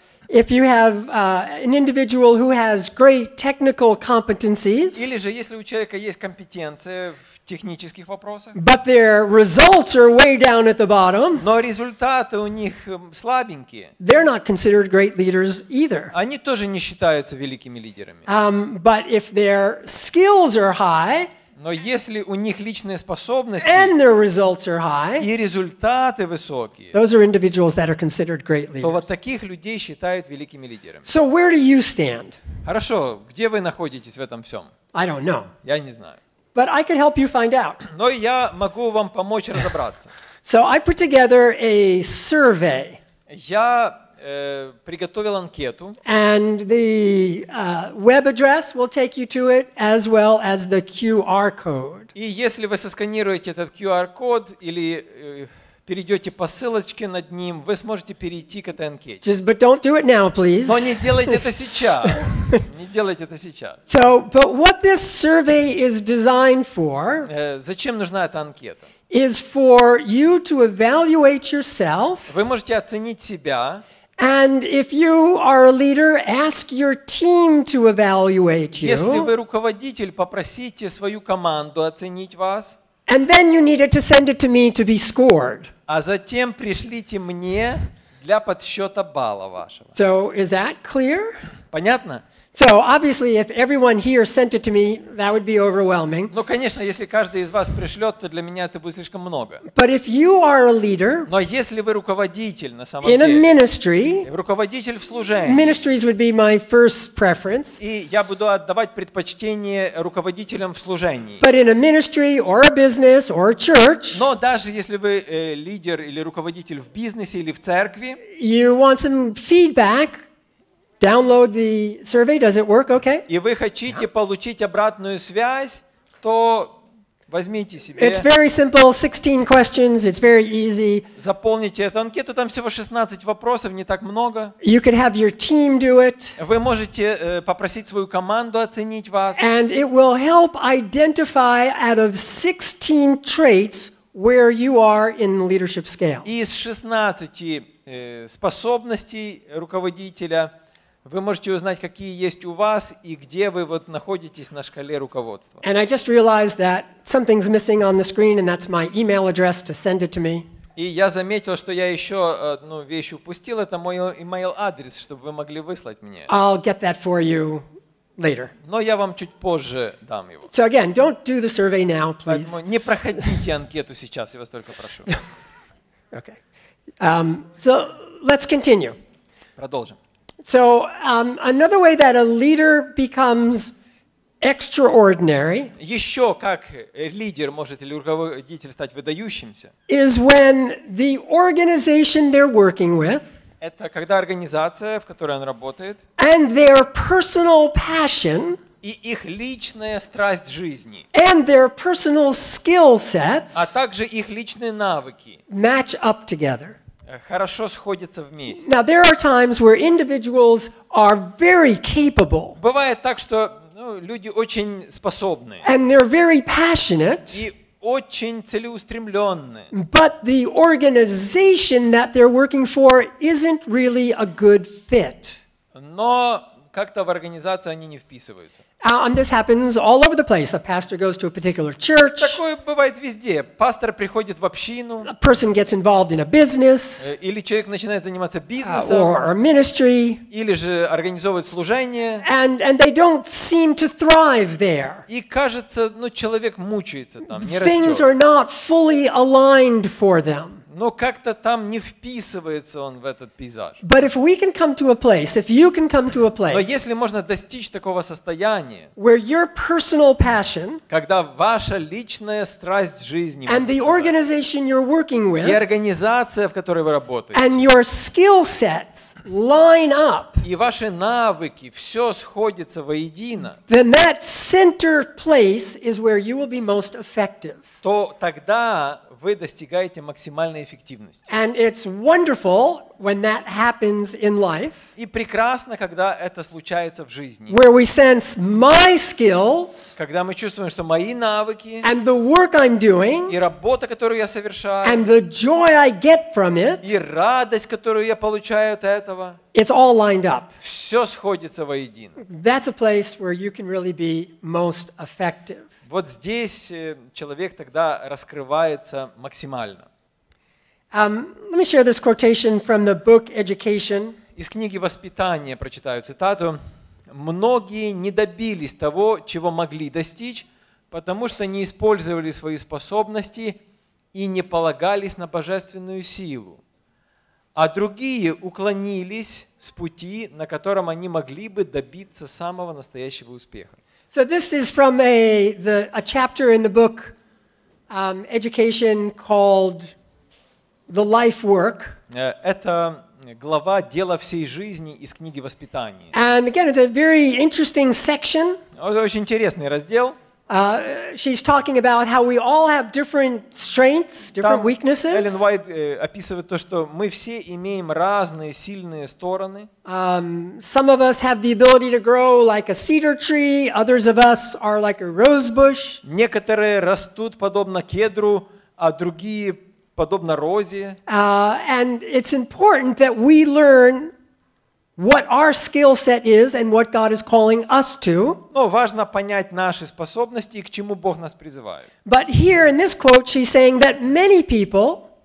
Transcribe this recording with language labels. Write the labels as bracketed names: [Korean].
[English] If you have an individual who has great technical competencies, [Russian] или же если у человека есть компетенции в технических вопросах, [English] but their results are way down at the bottom, [Russian] но результаты у них слабенькие, [English] they're not considered great leaders either. [Russian] Они тоже не считаются великими лидерами. [English] But if their skills are high, [Russian] но если у них личные способности [English] and their results are high, [Russian] и результаты высокие, [English] those are individuals that are considered great leaders. [Russian] То вот таких людей считают великими лидерами. [English] So where do you stand? [Russian] Хорошо, где вы находитесь в этом всем? [English] I don't know. [Russian] Я не знаю. [English] But I can help you find out. [Russian] Но я могу вам помочь разобраться. [English] So I put together a survey. [Russian] Я приготовил анкету. [English] And the web address will take you to it as well as the QR code. [Russian] И если вы сосканируете этот QR-код или перейдете по ссылочке над ним, вы сможете перейти к этой анкете. [English] Just, but don't do it now, please. [Russian] Но не делайте это сейчас. Не делайте это сейчас. [English] So, but what this survey is designed for? [Russian] Зачем нужна эта анкета? [English] Is for you to evaluate yourself. [Russian] Вы можете оценить себя. [English] And if you are a leader, ask your team to evaluate you. [Russian] Если вы руководитель, попросите свою команду оценить вас. [English] And then you needed to send it to me to be scored. [Russian] А затем пришлите мне для подсчета балла вашего. [English] So is that clear? [Russian] Понятно? [English] So obviously, if everyone here sent it to me, that would be overwhelming. [Russian] Ну, конечно, если каждый из вас пришлет, то для меня это будет слишком много. [English] But if you are a leader, [Russian] но если вы руководитель на самом деле, [English] in a ministry, [Russian] руководитель в служении, [English] ministries would be my first preference. [Russian] И я буду отдавать предпочтение руководителям в служении. [English] But in a ministry or a business or a church, [Russian] но даже если вы лидер или руководитель в бизнесе или в церкви, [English] you want some feedback. Download the survey. Does it work? Okay. [Russian] И вы хотите получить обратную связь, то возьмите себе. [English] It's very simple. 16 questions. It's very easy. [Russian] Заполните эту анкету. Там всего 16 вопросов, не так много. [English] You could have your team do it. [Russian] Вы можете попросить свою команду оценить вас. [English] And it will help identify out of 16 traits where you are in the leadership scale. [Russian] Из 16 способностей руководителя вы можете узнать, какие есть у вас и где вы вот находитесь на шкале руководства. [English] And I just realized that something's missing on the screen, and that's my email address to send it to me. [Russian] И я заметил, что я еще одну вещь упустил. Это мой email адрес, чтобы вы могли выслать мне. [English] I'll get that for you later. [Russian] Но я вам чуть позже дам его. [English] So again, don't do the survey now, please. [Russian] Поэтому не проходите анкету сейчас, я вас только прошу. [English] Okay. So let's continue. [Russian] Продолжим. [English] So another way that a leader becomes extraordinary. [Russian] Еще как лидер может или руководитель стать выдающимся? [English] Is when the organization they're working with. [Russian] Это когда организация, в которой он работает. [English] And their personal passion. [Russian] И их личная страсть жизни. [English] And their personal skill sets. [Russian] А также их личные навыки. [English] Match up together. [Russian] Хорошо сходятся вместе. [English] Now there are times where individuals are very capable. [Russian] Бывает так, что люди очень способны. [English] And they're very passionate. [Russian] И очень целеустремленны. [English] But the organization that they're working for isn't really a good fit. [Russian] Но как-то в организацию они не вписываются. [English] And this happens all over the place. A pastor goes to a particular church. [Russian] Такое бывает везде. Пастор приходит в общину. [English] A person gets involved in a business. [Russian] Или человек начинает заниматься бизнесом. [English] Or a ministry. [Russian] Или же организовывает служение. [English] And they don't seem to thrive there. [Russian] И кажется, человек мучается там, не растет. [English] Things are not fully aligned for them. [Russian] Но как-то там не вписывается он в этот пейзаж. [English] But if we can come to a place, if you can come to a place. [Russian] Но если можно достичь такого состояния. [English] Where your personal passion. [Russian] Когда ваша личная страсть жизни. [English] And the organization you're working with. [Russian] И организация, в которой вы работаете. [English] And your skill sets line up. [Russian] И ваши навыки, все сходится воедино. [English] Then that center place is where you will be most effective. [Russian] То тогда вы достигаете максимальной эффективности. [English] And it's wonderful when that happens in life. [Russian] И прекрасно, когда это случается в жизни. [English] Where we sense my skills. [Russian] Когда мы чувствуем, что мои навыки. [English] And the work I'm doing. [Russian] И работа, которую я совершаю. [English] And the joy I get from it. [Russian] И радость, которую я получаю от этого. [English] It's all lined up. [Russian] Все сходится воедино. [English] That's a place where you can really be most effective. [Russian] Вот здесь человек тогда раскрывается максимально. [English] Let me share this quotation from the book Education. [Russian] Из книги «Воспитание» прочитаю цитату. «Многие не добились того, чего могли достичь, потому что не использовали свои способности и не полагались на божественную силу. А другие уклонились с пути, на котором они могли бы добиться самого настоящего успеха». [English] So this is from a chapter in the book Education called The Life Work. [Russian] Это глава «Дело всей жизни» из книги «Воспитание». [English] And again, it's a very interesting section. [Russian] Это очень интересный раздел. [English] She's talking about how we all have different strengths, different weaknesses. [Russian] Эллен Уайт описывает то, что мы все имеем разные сильные стороны. [English] Some of us have the ability to grow like a cedar tree. Others of us are like a rose bush. [Russian] Некоторые растут подобно кедру, а другие подобно розе. [English] And it's important that we learn what our skill set is and what God is calling us to. [Russian] Но важно понять наши способности и к чему Бог нас призывает. [English] But here in this quote, she's saying that many people.